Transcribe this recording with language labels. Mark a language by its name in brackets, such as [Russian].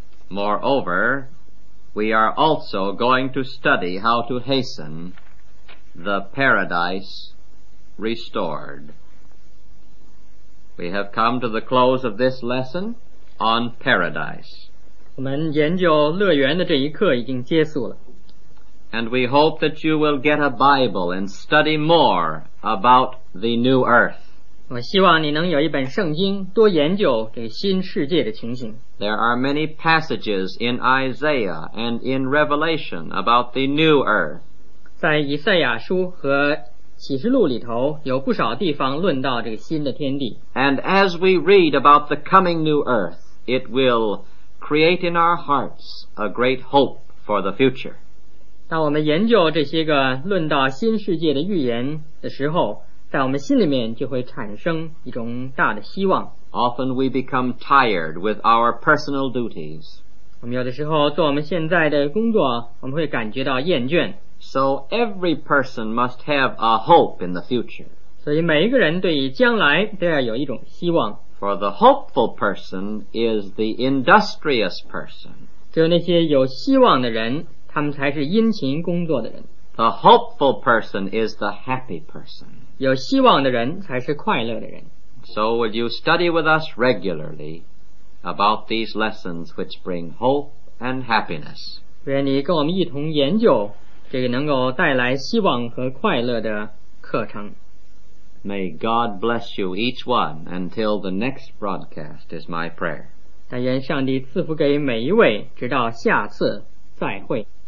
[English] Moreover, we are also going to study how to hasten the paradise restored. We have come to the close of this lesson on paradise. [Chinese] 我们研究乐园的这一课已经结束了。 [English] And we hope that you will get a Bible and study more about the new earth. [Chinese] 我希望你能有一本圣经，多研究这个新世界的情形。 [English] There are many passages in Isaiah and in Revelation about the new earth. [Chinese] 在以赛亚书和启示录里头，有不少地方论到这个新的天地。 [English] And as we read about the coming new earth, it will create in our hearts a great hope for the future. [Chinese] 当我们研究这些个论到新世界的预言的时候，在我们心里面就会产生一种大的希望。 [English] Often we become tired with our personal duties. [Chinese] 我们有的时候做我们现在的工作，我们会感觉到厌倦。 [English] So every person must have a hope in the future. [Chinese] 所以每一个人对于将来都要有一种希望。 [English] For the hopeful person is the industrious person. [Chinese] 只有那些有希望的人，他们才是殷勤工作的人。 [English] The hopeful person is the happy person. [Chinese] 有希望的人才是快乐的人。 [English] So will you study with us regularly about these lessons which bring hope and happiness? [Chinese] 愿你跟我们一同研究这个能够带来希望和快乐的课程。 [English] May God bless you each one until the next broadcast is my prayer. [Chinese] 但愿上帝赐福给每一位，直到下次再会。